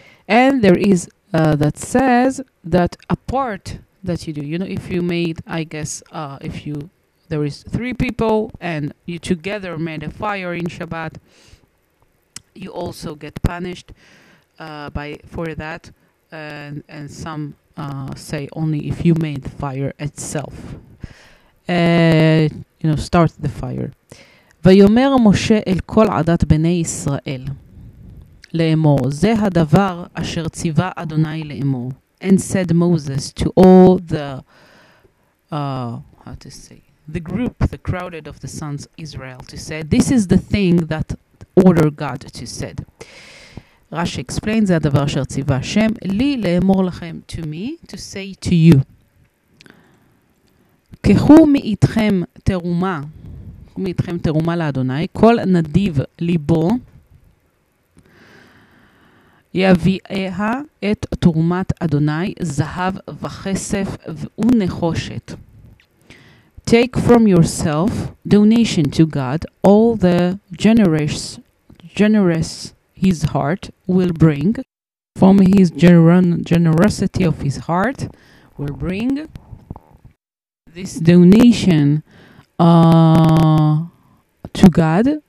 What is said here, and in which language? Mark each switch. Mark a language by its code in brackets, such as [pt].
[en] And there is that says that a part that you do, you know, if you made, I guess, if you, there is three people and you together made a fire in Shabbat, you also get punished by for that. And some say only if you made the fire itself, you know, start the fire. [he] Vayomer Moshe el kol adat bnei Yisrael. לאמור, זה הדבר אשר ציווה אדוני לאמור. [en] And said Moses to all the, how to say, the group, the crowded of the sons of Israel, to say, this is the thing that ordered God to said. Rashi explains, [he] זה הדבר אשר ציווה השם, לי לאמור לכם, [en] to me, to say to you. [he] קחו מאיתכם תרומה, קחו מאיתכם תרומה לאדוני, כל נדיב ליבו, יביאה את תרומת אדוני זהב וכסף ונחושת. [en] Take from yourself donation to God, all the generous his heart will bring, from his generosity of his heart will bring this donation to God.